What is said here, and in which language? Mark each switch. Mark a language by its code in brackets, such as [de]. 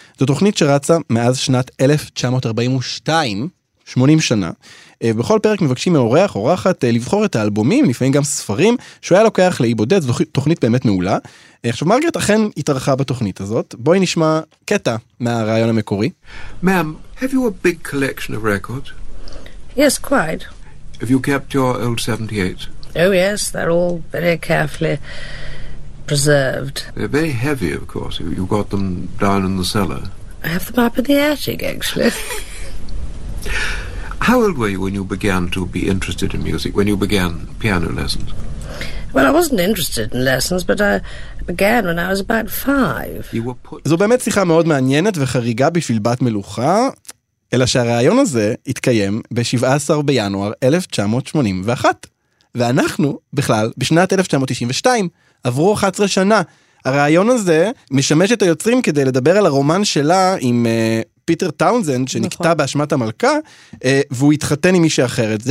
[he] זו תוכנית שרצה מאז שנת 1942, 80 שנה. בכל פרק מבקשים מאורח, אורחת, לבחור את האלבומים, לפעמים גם ספרים, שהוא היה לוקח לאי בודד, זו תוכנית באמת מעולה. עכשיו, מרגרט אכן התארחה בתוכנית הזאת. בואי נשמע קטע מהרעיון המקורי. [en] Ma'am, have you a big collection of records? Yes, quite. Have you kept your old 78s? Oh yes, they're all very carefully preserved. They're very heavy, of course. You've got them down in the cellar. I have them up in the attic, actually. How old were you when you began to be interested in music, when you began piano lessons? Well, I wasn't interested in lessons, but I began when I was about 5. You were put... [he] זו באמת שיחה מאוד מעניינת וחריגה בשביל בת מלוכה... אלא שהרעיון הזה התקיים ב-17 בינואר 1981, ואנחנו בכלל בשנת 1992, עברו 11 שנה. הרעיון הזה משמש את היוצרים כדי לדבר על הרומן שלה עם פיטר טאונזנד, שנקטע באשמת המלכה, והוא התחתן עם מישהי אחרת.